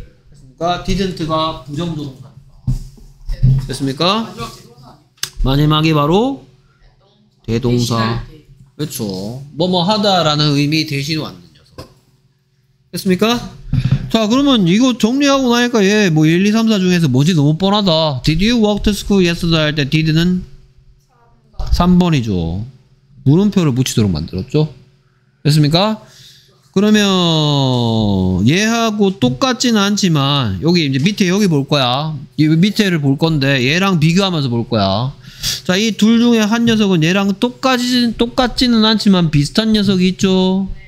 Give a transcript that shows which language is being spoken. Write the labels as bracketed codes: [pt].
[ko] 됐습니까? didn't가 부정 조동사. 됐습니까? 마지막이 바로 대동사. 그렇죠. 뭐뭐 하다라는 의미 대신 왔는 녀석. 됐습니까? 자, 그러면 이거 정리하고 나니까 얘 뭐 1, 2, 3, 4 중에서 뭐지 너무 뻔하다. [en] Did you walk to school yesterday [ko] 할 때 did는 3번이죠. 물음표를 붙이도록 만들었죠. 됐습니까? 그러면 얘하고 똑같진 않지만 여기 이제 밑에 여기 볼 거야. 이 밑에를 볼 건데 얘랑 비교하면서 볼 거야. 자, 이 둘 중에 한 녀석은 얘랑 똑같진 않지만 비슷한 녀석이 있죠.